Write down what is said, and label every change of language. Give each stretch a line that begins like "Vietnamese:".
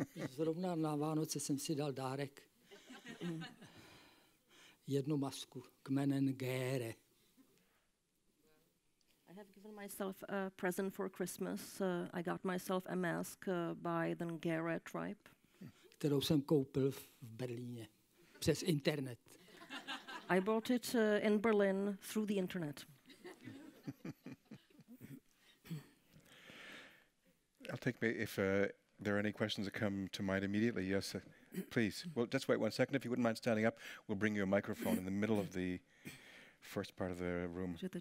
Czech: Zrovna na Vánoce jsem si dal dárek jednu masku kmenen Gére.
English: I have given myself a present for Christmas. I got myself a mask by the Ngere tribe.
Czech: Kterou jsem koupil v Berlíně přes internet.
English: I bought it in Berlin through the internet. I'll take me if there are any questions that come to mind immediately. Yes, please. Well, just wait one second. If you wouldn't mind standing up, we'll bring you a microphone in the middle of the first part of the room.